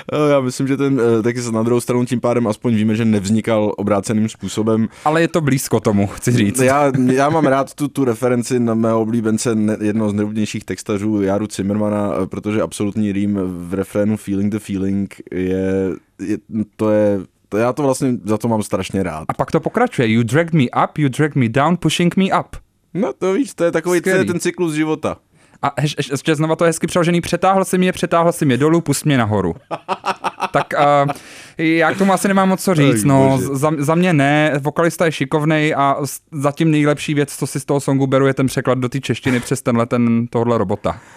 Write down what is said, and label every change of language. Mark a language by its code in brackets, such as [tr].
[cs] Já myslím, že ten taky na druhou stranu tím pádem aspoň víme, že nevznikal obráceným způsobem. Ale je to blízko tomu, chci říct. Já mám rád tu referenci na mého oblíbence jednoho z nejoblíbenějších textařů Jaru Cimrmana, protože absolutní rým v refrénu [en] Feeling the Feeling [cs] je to já to vlastně za to mám strašně rád. A pak to pokračuje. [en] You dragged me up, you dragged me down, pushing me up. [cs] No to víš, to je takový ten cyklus života. A ještě znova to hezky přeložený, přetáhl jsi mě dolů, pust mě nahoru. Tak já k tomu asi nemám moc co říct, no za mě ne, vokalista je šikovnej a zatím nejlepší věc, co si z toho songu beru, je ten překlad do té češtiny přes tohle robota.